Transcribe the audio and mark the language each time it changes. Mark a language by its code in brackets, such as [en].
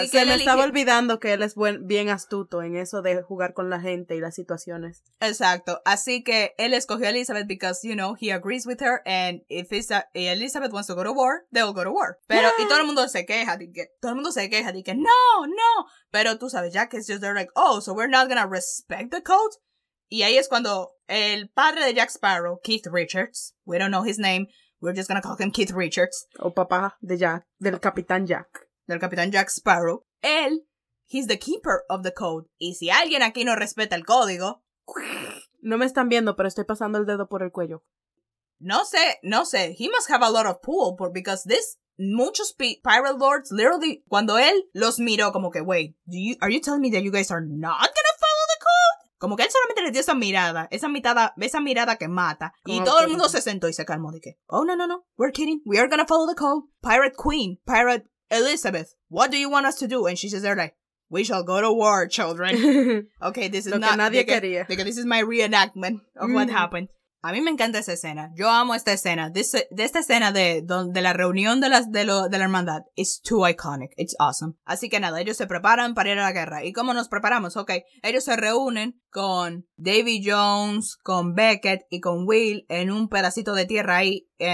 [es] Así que estaba olvidando que él es bien astuto en eso de jugar con la gente y las situaciones. Exacto. Así que él escogió a Elizabeth [en] because, you know, he agrees with her, and if Elizabeth wants to go to war, they'll go to war. [es] Pero, y todo el mundo se queja, de que, no, no. Pero tú sabes, [en] Jack is just there like, oh, so we're not gonna respect the code? [es] Y ahí es cuando el padre de Jack Sparrow, [en] Keith Richards, we don't know his name, we're just gonna call him Keith Richards. [es] O papá de Jack, del Capitán Jack. Del Capitán Jack Sparrow. Él, [en] he's the keeper of the code. [es] Y si alguien aquí no respeta el código... No me están viendo, pero estoy pasando el dedo por el cuello. No sé. [en] He must have a lot of pull, because this... Muchos pirate lords, literally, [es] cuando él los miró como que, [en] wait, are you telling me that you guys are not gonna follow the code? [es] Como que él solamente les dio esa mirada que mata. Y todo el mundo se sentó y se calmó. [en] Dije, oh, no, we're kidding. We are gonna follow the code. Pirate Queen, Pirate Elizabeth, what do you want us to do? And she's just there like, we shall go to war, children. Okay, this is [es] lo [en] not... [es] Lo que nadie quería. [en] Because this is my reenactment of what happened. [es] A mí me encanta esa escena. Yo amo esta escena. De esta escena de la reunión de la hermandad. [en] It's too iconic. It's awesome. [es] Así que nada, ellos se preparan para ir a la guerra. ¿Y cómo nos preparamos? Ok, ellos se reúnen con Davy Jones, con Beckett y con Will en un pedacito de tierra ahí.